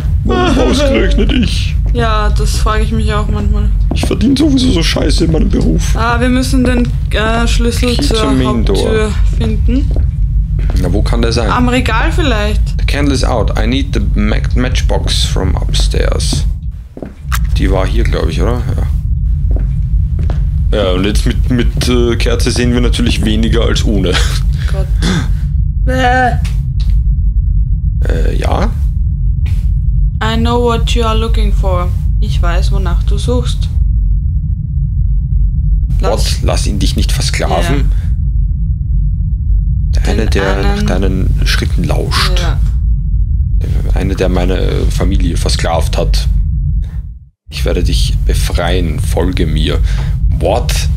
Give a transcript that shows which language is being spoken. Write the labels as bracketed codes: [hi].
[de] Warum ausgerechnet ich? Ja, das frage ich mich auch manchmal. Ich verdiene sowieso so scheiße in meinem Beruf. Ah, wir müssen den Schlüssel zur Haupttür finden. Na, wo kann der sein? Am Regal vielleicht. [en] The candle is out. I need the matchbox from upstairs. [de] Die war hier, glaube ich, oder? Ja. Ja, und jetzt mit Kerze sehen wir natürlich weniger als ohne. Gott. Ja? [en] I know what you are looking for. [de] Ich weiß, wonach du suchst. Lass ihn dich nicht versklaven. Yeah. Einer, der nach deinen Schritten lauscht. Ja. Einer, der meine Familie versklavt hat. Ich werde dich befreien, folge mir. [en] What?